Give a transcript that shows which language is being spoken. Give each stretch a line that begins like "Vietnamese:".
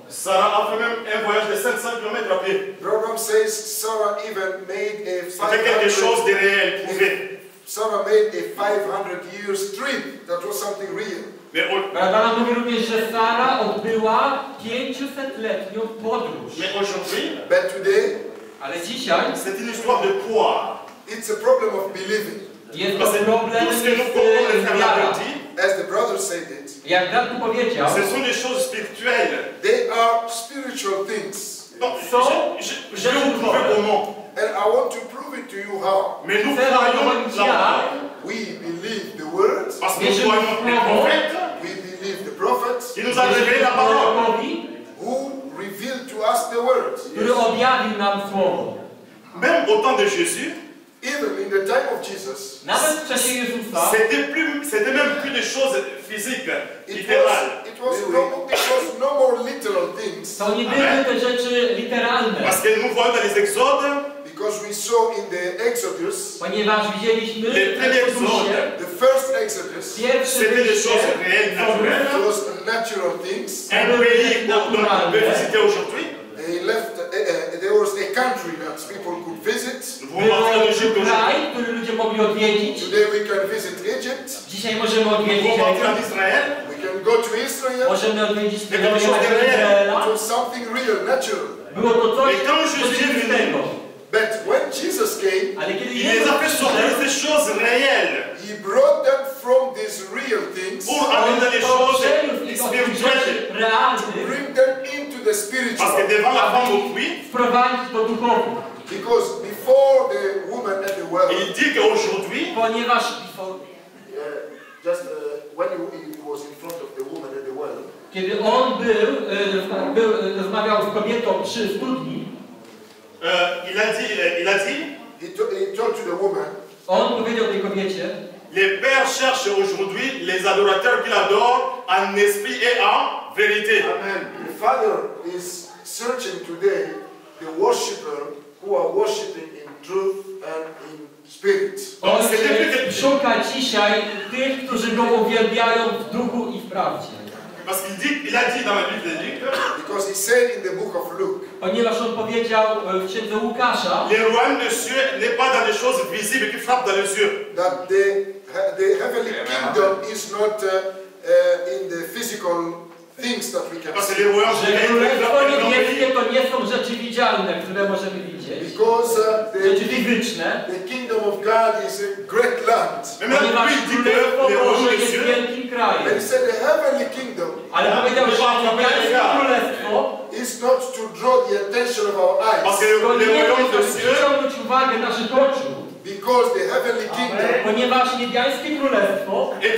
French: Sarah a fait même un voyage de 500 km à pied.
English: Abraham says Sarah even made a 500.
French: C'était quelque chose de réel, prouvé.
English: Sarah made a 500 years dream. That was something real.
Polish: Abraham mówi również, że Sara odbyła 500-letnią podróż.
French: Mais aujourd'hui,
English: but today,
Polish: ale dzisiaj,
French: c'est une histoire de foi.
English: It's a problem of believing.
Polish: Jest to problem wiary.
English: As the brother said it.
Polish: Jak brat tu powiedział,
French: ce sont des choses spirituelles.
English: They are spiritual things.
French: So, je vous prouve comment.
English: And I want to prove it to you how.
French: Mais nous croyons la parole.
English: We believe the word.
French: Parce que nous croyons le prophète.
English: We believe the prophet.
French: Qui nous a révélé la parole.
English: Who revealed to us the word.
Polish: Który objawił nam słowo.
French: Même au temps de Jésus.
English: Even in the time of Jesus,
French: c'était même plus des choses physiques, littérales.
English: It was no more literal things.
Polish: To nie były te rzeczy literalne.
French: Parce que nous voyons dans les Exodes,
English: Because we saw in the Exodus,
Polish: ponieważ widzieliśmy w Egipcie,
English: the first Exodus,
French: c'était des choses réelles,
English: natural things, and we visit
French: aujourd'hui.
English: They left. There was a country that people could visit.
Polish: Kraj, który ludzie mogli odwiedzić.
English: Today we can visit Egypt.
Polish: Dzisiaj możemy odwiedzić Izrael.
English: We can go to Israel.
Polish: Możemy odwiedzić Izrael.
English: It was something real, natural.
Polish: Było to coś rzeczywistego.
English: But when Jesus came,
Polish: ale kiedy Jezus przyszedł,
English: he brought them from these real things, bring them into the spiritual,
Polish: wprowadzić do duchowego.
English: Because before the woman and the well,
French: il dit qu'aujourd'hui,
Polish: ponieważ
English: just when he was in front of the woman and the well,
Polish: kiedy on był, rozmawiał z kobietą przy studni.
French: Il a dit,
English: to the woman,
Polish: on powiedział tej kobiecie,
French: le Père cherche aujourd'hui les adorateurs qu'il adore en esprit et en vérité.
English: Amen. The Father is searching today the worshipper who are worshiping in truth and in spirit.
Polish: On szuka dzisiaj tych, którzy go uwielbiają w duchu i w prawdzie.
French: Parce qu'il dit, il a dit dans la Bible,
English: because he said in the book of Luke,
Polish: ponieważ on powiedział w księdze Łukasza,
French: le royaume de Dieu n'est pas dans les choses visibles qui frappent dans les yeux,
English: that the heavenly kingdom is not in the physical things that we can see.
French: Parce que le royaume de Dieu,
Polish: to nie są rzeczy widzialne, które możemy widzieć,
English: because the kingdom of God is a great land,
Polish: ponieważ królestwo Boże jest wielkim krajem.
English: But he said the heavenly kingdom,
Polish: ale powiedział, że królestwo
English: is not to draw the attention of our eyes. Because the heavenly kingdom,
Polish: ponieważ niebiańskie królestwo,